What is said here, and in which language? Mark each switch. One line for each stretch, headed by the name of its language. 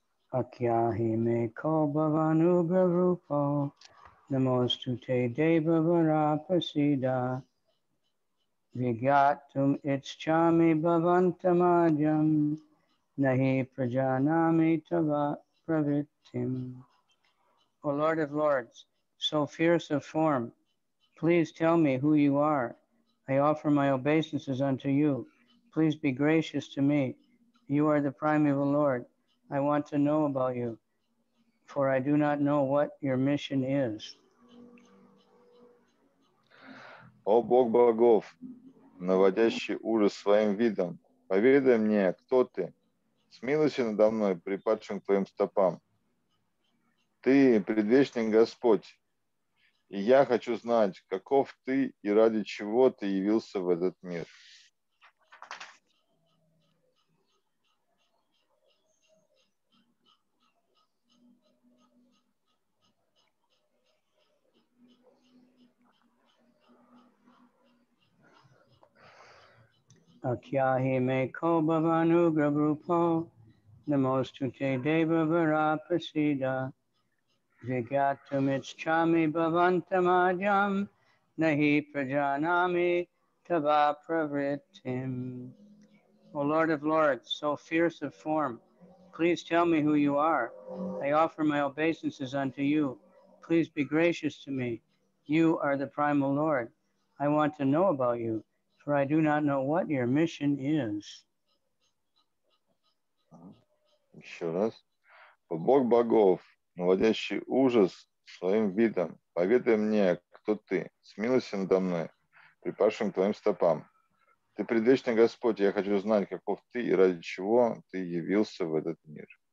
Sanskrit: Акьяхи ме ко бавану гарупо намосту те дева вара пасида вигьяттум иччами бавантамаджам нахи праджанами тава правиттим.
English: O Lord of Lords, so fierce of form, please tell me who you are. I offer my obeisances unto you. Please be gracious to me. You are the primeval Lord. I want to know about you, for I do not know what your mission is.
Russian: О Бог богов, наводящий ужас своим видом, поведай мне, кто ты, смилуйся надо мной, припадшим к твоим стопам. Ты предвечный Господь, и я хочу знать, каков ты и ради чего ты явился в этот мир.
Sanskrit: Акьяхи ме ко бавану грабрупо намосту те дева вара пасида вигьяттум иччами бавантамаджам нахи праджанами тава правриттим.
English: O Lord of Lords, so fierce of form, please tell me who you are. I offer my obeisances unto you. Please be gracious to me. You are the primal Lord. I want to know about you, for I do not know what your mission is.
Russian: Еще раз. Бог богов, наводящий ужас своим видом, поведай мне, кто ты, смилуйся надо мной, припавшим к твоим стопам. Ты предвечный Господь, я хочу знать, каков ты и ради чего ты явился в этот мир.